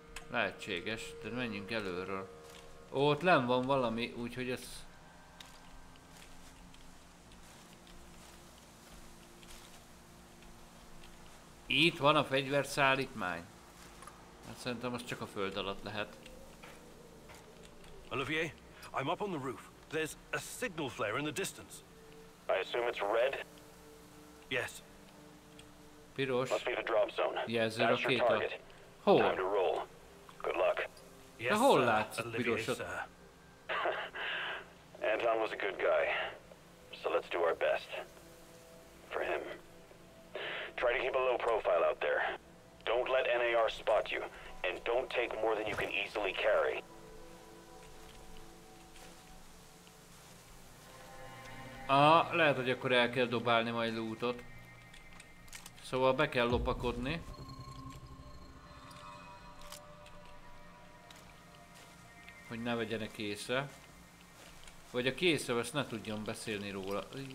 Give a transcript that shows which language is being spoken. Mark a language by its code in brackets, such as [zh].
[hu] Lehetséges, de menjünk előről. Ó, ott len van valami, úgyhogy ez... Itt van a fegyverszállítmány. Hát szerintem az csak a föld alatt lehet. [en] Olivier, I'm up on the roof. There's a signal flare in the distance. I assume it's red? Yes. [hu] Piros. [en] Must be the drop zone. Yeah, zero that's your target. [hu] Hol? [en] Time to roll. Good luck. Yes, sir. Olivier, sir. Anton was a good guy. So let's do our best. For him. Try to keep a low profile out there. Don't let NAR spot you. And don't take more than you can easily carry. [hu] Ah, lehet, hogy akkor el kell dobálni majd lootot. Szóval be kell lopakodni. Hogy ne vegyenek észre. Vagy a késze ezt ne tudjon beszélni róla.